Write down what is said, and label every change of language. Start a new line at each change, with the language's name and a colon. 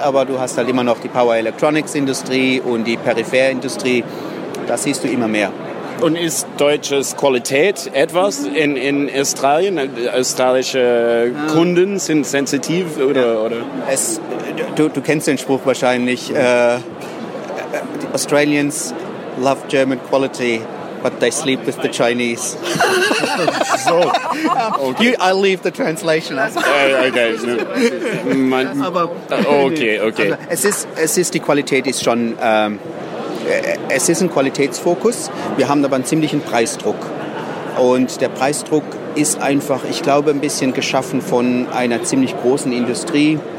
German: Aber du hast halt immer noch die Power-Electronics-Industrie und die Peripher-Industrie. Das siehst du immer mehr. Und ist deutsches Qualität etwas in Australien? Australische Kunden sind sensitiv? Oder? Du kennst den Spruch wahrscheinlich.
English: The Australians love German quality, but they sleep with the Chinese. So. Okay. I'll leave the translation. Okay. Okay.
German: Es ist die Qualität ist schon... es ist ein Qualitätsfokus. Wir haben aber einen ziemlichen Preisdruck. Und der Preisdruck ist einfach, ich glaube, ein bisschen geschaffen von einer ziemlich großen Industrie.